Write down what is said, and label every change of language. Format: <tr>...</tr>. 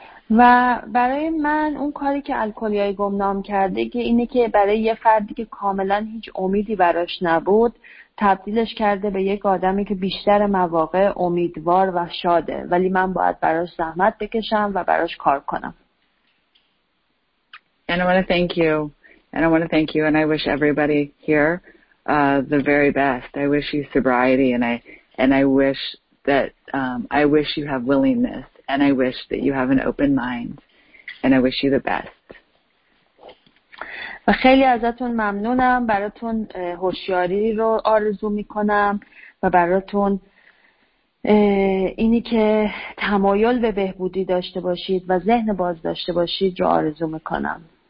<fa>و برای من اون کاری که الکلی‌های گمنام کرده که اینه که برای یه فردی که کاملاً هیچ امیدی براش نبود تبدیلش کرده به یک آدمی که بیشتر مواقع امیدوار و شاده ولی من باید براش زحمت بکشم و براش کار کنم.</fa> <en>And I want to thank you. And I want to thank you, and I wish everybody here the very best. I wish you sobriety, and I and I wish that I wish you have willingness, and I wish that you have an open mind, and I wish you the best.</en> <fa>و خیلی ازتون ممنونم، براتون هوشیاری رو آرزو میکنم و براتون اینی که تمایل به بهبودی داشته باشید و ذهن باز داشته باشید رو آرزو میکنم.</fa>